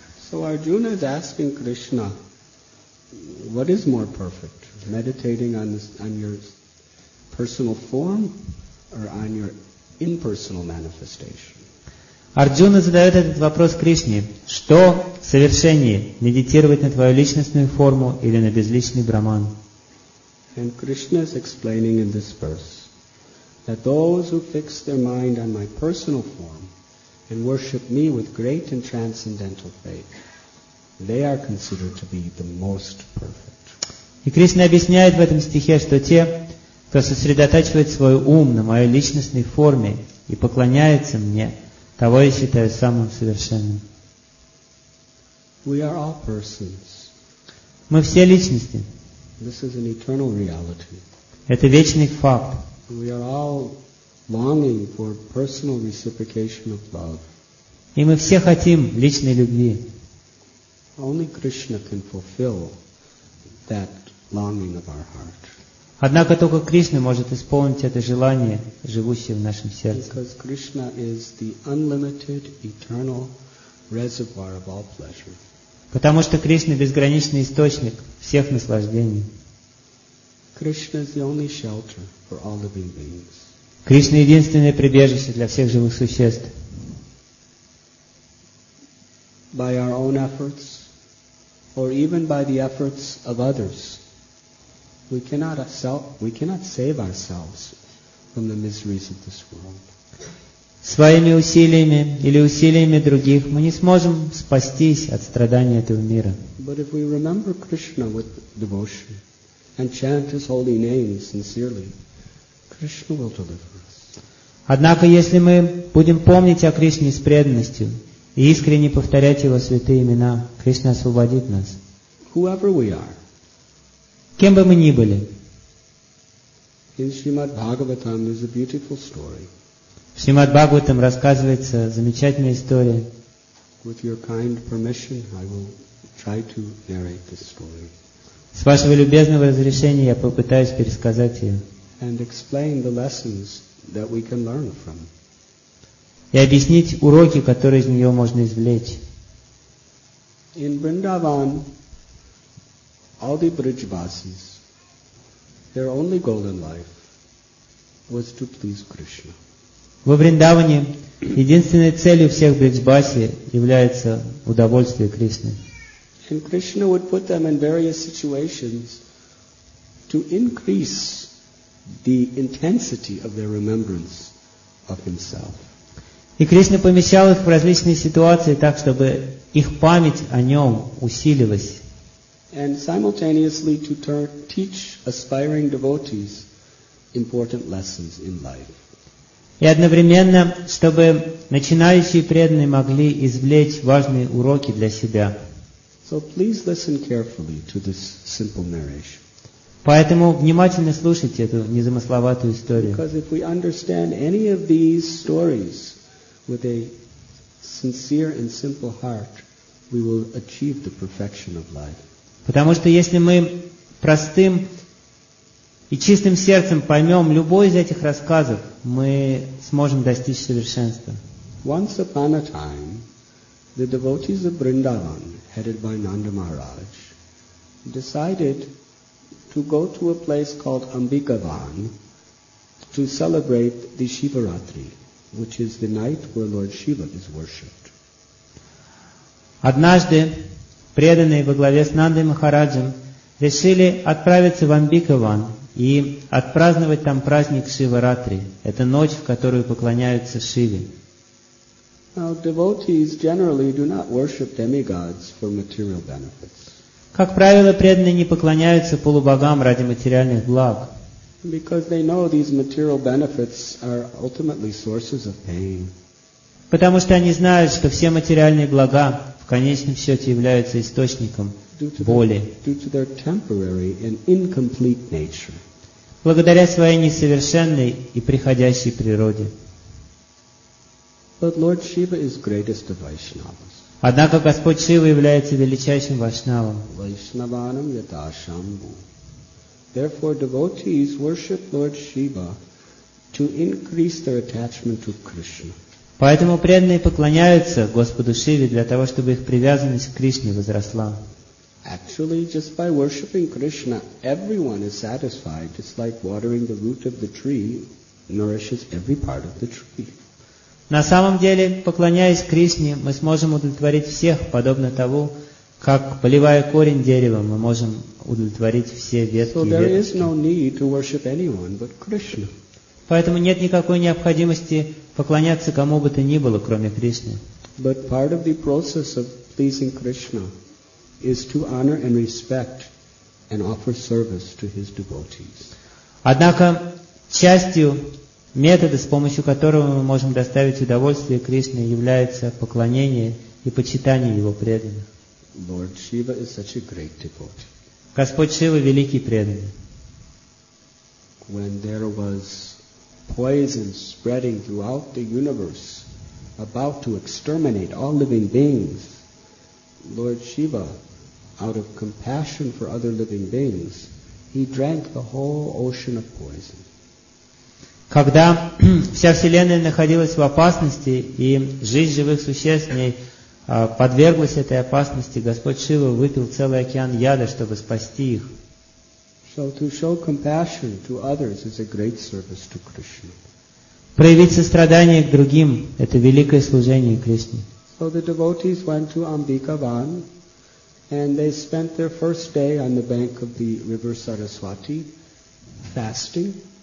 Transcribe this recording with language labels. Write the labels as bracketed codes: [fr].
[en] So Arjuna is asking Krishna, what is more perfect, meditating on this, on your personal form or on your impersonal manifestation? [ru] Арджуна задает этот вопрос Кришне. Что совершеннее, медитировать на твою личностную форму или на безличный Брахман? [en] And Krishna is explaining in this verse that those who fix their mind on my personal form and worship me with great and transcendental faith, they are considered to be the most perfect. [ru] И Кришна объясняет в этом стихе, что те, кто сосредотачивает свой ум на моей личностной форме и поклоняется мне, того я считаю самым совершенным. [en] We are all persons. [ru] Мы все личности. [en] This is an eternal reality. [ru] Это вечный факт. [en] We are all longing for personal reciprocation of love. [ru] И мы все хотим личной любви. [en] Only Krishna can fulfill that longing of our heart. [ru] Однако только Кришна может исполнить это желание, живущее в нашем сердце. [en] Because Krishna is the unlimited, eternal reservoir of all pleasure. [ru] Потому что Кришна безграничный источник всех наслаждений. [en] Krishna is the only shelter for all living beings. [ru] Кришна единственное прибежище для всех живых существ. [en] By our own efforts, or even by the efforts of others, we cannot save ourselves from the miseries of this world. [ru] Своими усилиями или усилиями других мы не сможем спастись от страданий этого мира. [en] But if we remember Krishna with devotion and chant his holy name sincerely, Krishna will deliver us. [ru] Однако если мы будем помнить о Кришне с преданностью и искренне повторять его святые имена, Кришна освободит нас. [en] Whoever we are. [ru] Кем бы мы ни были. [en] In Srimad Bhagavatam is a beautiful story. [ru] В Шримад Бхагаватам рассказывается замечательная история. [en] With your kind permission, I will try to narrate this story. [ru] С вашего любезного разрешения я попытаюсь пересказать ее. [en] And explain the lessons that we can learn from. [ru] И объяснить уроки, которые из нее можно извлечь. [en] In Vrindavan, all the Brijvasis, their only goal in life was to please Krishna. [ru] Во Вриндаване единственной целью всех Брижбаси является удовольствие Кришны. [en] And Krishna would put them in various situations to increase the intensity of their remembrance of himself. [ru] И Кришна помещал их в различные ситуации так, чтобы их память о нем усилилась. [en] And simultaneously to teach aspiring devotees important lessons in life. [ru] И одновременно, чтобы начинающие преданные могли извлечь важные уроки для себя. [en] So please listen carefully to this simple narration. [ru] Поэтому внимательно слушайте эту незамысловатую историю. [en] Because if we understand any of these stories with a sincere and simple heart, we will achieve the perfection of life. [ru] Потому что если мы простым и чистым сердцем поймем любой из этих рассказов, мы сможем достичь совершенства. [en] Once upon a time, the devotees of Vrindavan, headed by Nanda Maharaj, decided to go to a place called Ambikavan to celebrate the Shivaratri, which is the night where Lord Shiva is worshipped. [ru] Однажды преданные во главе с Нандой Махараджем решили отправиться в Амбикаван и отпраздновать там праздник Шиваратри. Это ночь, в которую поклоняются Шиве. [en] Now, devotees generally do not worship demigods for material benefits. [ru] Как правило, преданные не поклоняются полубогам ради материальных благ. [en] Because they know these material benefits are ultimately sources of pain. [ru] Потому что они знают, что все материальные блага в конечном счете являются источником боли. [en] Due to their temporary and incomplete nature. [ru] Благодаря своей несовершенной и приходящей природе. [en] But Lord Shiva is greatest of Vaishnavas. [ru] Однако Господь Шива является величайшим вайшнавом. [sa] Vaishnavanam yata shambhu. [en] Therefore, devotees worship Lord Shiva to increase their attachment to Krishna. [ru] Поэтому преданные поклоняются Господу Шиве для того, чтобы их привязанность к Кришне возросла. [en] Actually, just by worshiping Krishna, everyone is satisfied. It's like watering the root of the tree nourishes every part of the tree. [ru] На самом деле, поклоняясь Кришне, мы сможем удовлетворить всех, подобно тому, как, поливая корень дерева, мы можем удовлетворить все ветки и веточки. Поэтому нет никакой необходимости поклоняться кому бы то ни было, кроме Кришны. [en] But part of the process of pleasing Krishna is to honor and respect and offer service to his devotees. [ru] Однако, частью метода, с помощью которого мы можем доставить удовольствие Кришне, является поклонение и почитание Его преданных. [en] Lord Shiva is such a great devotee. [ru] Господь Шива – великий преданный. [en] When there was poison spreading throughout the universe, about to exterminate all living beings, Lord Shiva, out of compassion for other living beings, he drank the whole ocean of poison. [ru] Когда вся Вселенная находилась в опасности, и жизнь живых существ в ней подверглась этой опасности, Господь Шива выпил целый океан яда, чтобы спасти их. [en] So to show compassion to others is a great service to Krishna. [ru] Проявить сострадание к другим – это великое служение Кришне. [en] So the devotees went to Ambikavan, and they spent their first day on the bank of the river Saraswati, fasting.